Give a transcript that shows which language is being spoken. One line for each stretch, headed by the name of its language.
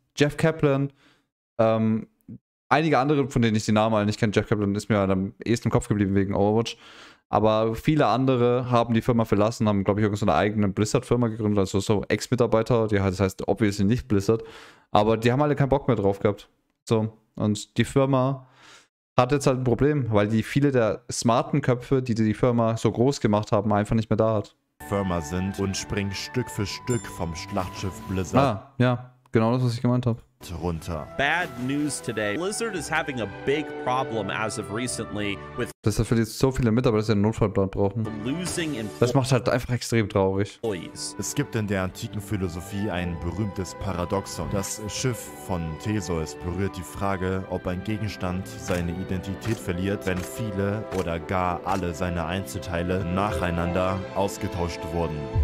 German: Jeff Kaplan, einige andere, von denen ich die Namen alle nicht kenne, Jeff Kaplan ist mir am ehesten im Kopf geblieben wegen Overwatch, aber viele andere haben die Firma verlassen, haben, glaube ich, irgendeine eigene Blizzard-Firma gegründet, also so Ex-Mitarbeiter, das heißt obviously nicht Blizzard, aber die haben alle keinen Bock mehr drauf gehabt. So, und die Firma... hat jetzt halt ein Problem, weil die viele der smarten Köpfe, die die Firma so groß gemacht haben, einfach nicht mehr da hat. Firma sind und springen Stück für Stück vom Schlachtschiff Blizzard. Ah, ja, genau das, was ich gemeint habe. Runter.
English: Bad news today. Blizzard is having a big problem as of recently with...
German: Das hat für die so viele Mitarbeiter, dass sie einen Notfallplan brauchen. Das macht halt einfach extrem traurig. Es gibt in der antiken Philosophie ein berühmtes Paradoxon. Das Schiff von Theseus berührt die Frage, ob ein Gegenstand seine Identität verliert, wenn viele oder gar alle seine Einzelteile nacheinander ausgetauscht wurden.